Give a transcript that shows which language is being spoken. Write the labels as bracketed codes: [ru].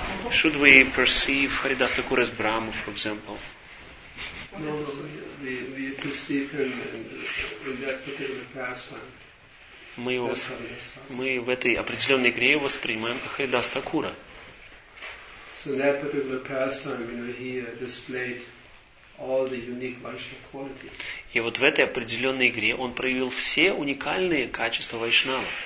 [en] Should we perceive Haridas Thakur as Brahma, for example? No, we perceive him in that particular pastime. [ru] Мы в этой определенной игре воспринимаем Харидас Такура. [en] So in that particular pastime, you know, he displayed all the unique Vaishnava qualities. [ru] И вот в этой определенной игре он проявил все уникальные качества вайшнава.